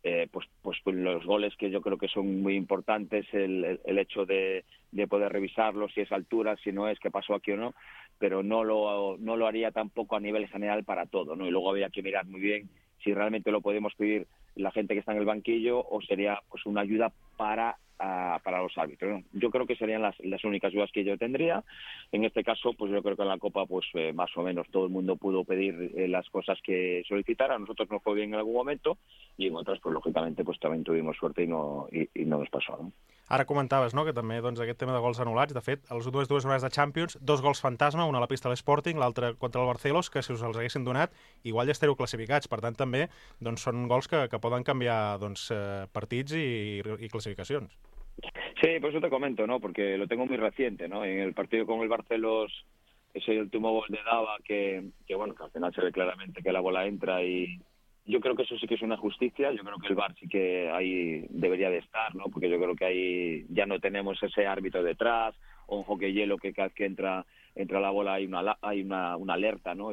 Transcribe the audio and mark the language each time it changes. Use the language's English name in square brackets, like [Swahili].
[Spanish] Pues los goles que yo creo que son muy importantes, el hecho de poder revisarlos, si es altura, si no es, qué pasó aquí o no, pero no lo haría tampoco a nivel general para todo, ¿no? Y luego había que mirar muy bien si realmente lo podemos pedir la gente que está en el banquillo o sería pues una ayuda para los árbitros, ¿no? Yo creo que serían las únicas dudas que yo tendría. En este caso, pues yo creo que en la Copa, pues más o menos todo el mundo pudo pedir las cosas que solicitara. A nosotros nos fue bien en algún momento y en otras, pues lógicamente, pues también tuvimos suerte y no nos pasó, ¿no? [Catalan] Ara comentaves, no?, que també doncs, aquest tema de gols anul·lats, de fet, els dues jornades de Champions, dos gols fantasma, un a la pista de l'Sporting, l'altre contra el Barcelos, que si us els haguessin donat, igual ja estareu classificats. Per tant, també doncs, són gols que poden canviar doncs, partits i classificacions. [Spanish] Sí, pues yo te comento, ¿no?, porque lo tengo muy reciente, ¿no? En el partido con el Barcelos, ese último gol de Dava, que bueno, que al final se ve claramente que la bola entra y... Yo creo que eso sí que es una justicia, yo creo que el VAR sí que ahí debería de estar, ¿no? Porque yo creo que ahí ya no tenemos ese árbitro detrás, o un hockey hielo que cada vez que entra la bola hay una alerta, ¿no?